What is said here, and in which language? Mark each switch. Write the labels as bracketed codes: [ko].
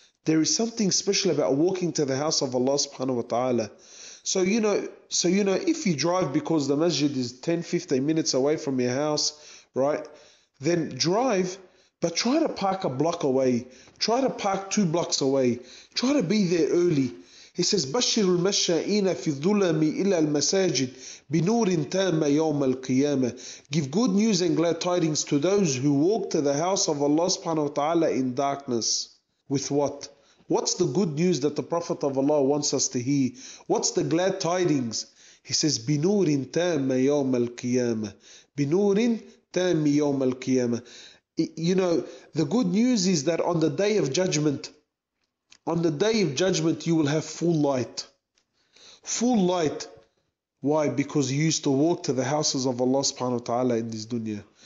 [en] There is something special about walking to the house of Allah subhanahu wa ta'ala. So, you know, if you drive because the masjid is 10, 15 minutes away from your house, right, then drive, but try to park a block away. Try to park two blocks away. Try to be there early. He says, [ar] بَشِّرُ الْمَشَّئِينَ فِي الظُّلَمِ إِلَى الْمَسَاجِدِ بِنُورٍ تَامَّ يَوْمَ الْقِيَامَةِ. [en] Give good news and glad tidings to those who walk to the house of Allah subhanahu wa ta'ala in darkness. With what? What's the good news that the Prophet of Allah wants us to hear? What's the glad tidings? He says, [ar] بِنُورٍ تَامَّ يَوْمَ الْقِيَامَةِ. بِنُورٍ تَامِّ يَوْمَ الْقِيَامَةِ. [en] You know, the good news is that on the day of judgment, On the day of judgment, you will have full light. Full light. Why? Because you used to walk to the houses of Allah subhanahu wa ta'ala in this dunya.